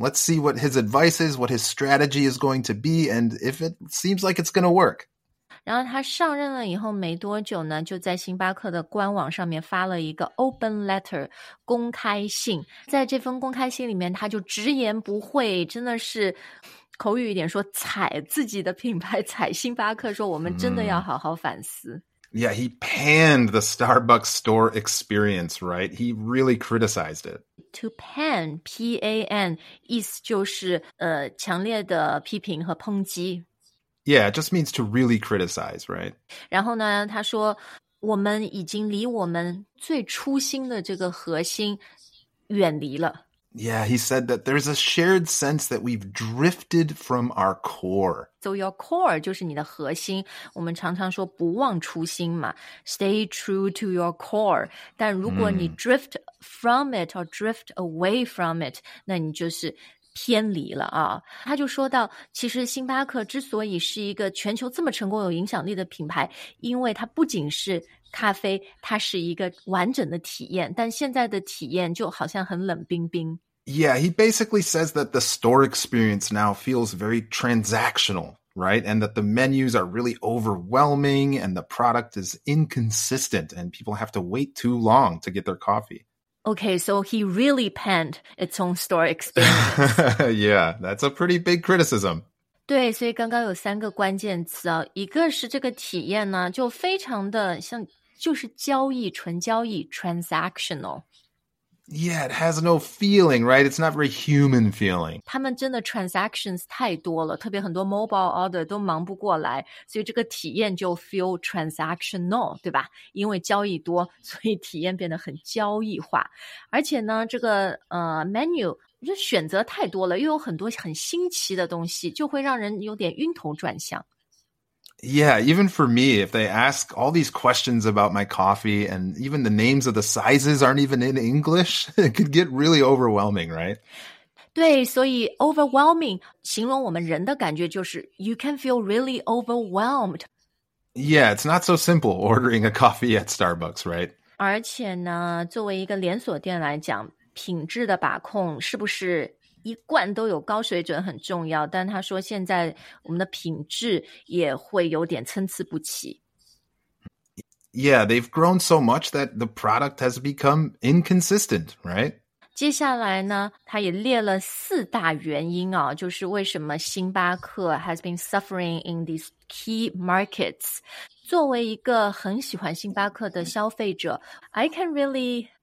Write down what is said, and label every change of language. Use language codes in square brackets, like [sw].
[en] Let's see what his advice is, what his strategy is going to be, and if it seems like it's going to work. [zh] 然后他上任了以后没多久呢就在星巴克的官网上面发了一个 open letter 公开信在这封公开信里面他就直言不讳真的是口语一点说踩自己的品牌踩星巴克说我们真的要好好反思、 [en] Yeah, he panned the Starbucks store experience, right? He really criticized it. [zh] To pan, P-A-N, 意思就是强烈的批评和抨击 [en] Yeah, it just means to really criticize, right? [zh] 然后呢，他说，我们已经离我们最初心的这个核心远离了。 [en] Yeah, he said that there's a shared sense that we've drifted from our core. So your core [zh] 就是你的核心。我们常常说不忘初心嘛 ， [en] stay true to your core. [zh] 但如果你 [en] drift from it or drift away from it, [zh] 那你就是。偏离了啊，他就说到，其实星巴克之所以是一个全球这么成功有影响力的品牌，因为它不仅是咖啡，它是一个完整的体验，但现在的体验就好像很冷冰冰。 [en] Yeah, he basically says that the store experience now feels very transactional, right? And that the menus are really overwhelming and the product is inconsistent and people have to wait too long to get their coffee. Okay, so he really panned its own store experience. Yeah, that's a pretty big criticism. [zh] 对，所以刚刚有三个关键词啊，一个是这个体验呢，就非常的像，就是交易，纯交易 ，transactional. [en] Yeah, it has no feeling, right? It's not very human feeling. [zh] 他们真的 transactions 太多了，特别很多 mobile order 都忙不过来，所以这个体验就 feel transactional, 对吧？因为交易多，所以体验变得很交易化。而且呢，这个menu 就选择太多了，又有很多很新奇的东西，就会让人有点晕头转向。 [en] Yeah, even for me, if they ask all these questions about my coffee and even the names of the sizes aren't even in English, it could get really overwhelming, right? [zh] 对，所以 overwhelming 形容我们人的感觉就是 [en] you can feel really overwhelmed. Yeah, it's not so simple ordering a coffee at Starbucks, right? [zh] 而且呢，作为一个连锁店来讲，品质的把控是不是一贯都有高水准很重要，但他说现在我们的品质也会有点参差不齐。 [en] Yeah, they've grown so much that the product has become inconsistent, right? [zh] 接下来呢，他也列了四大原因啊，就是为什么星巴克 [en] has been suffering in these key markets. [zh] 作为一个很喜欢星巴克的消费者 [en] I can really...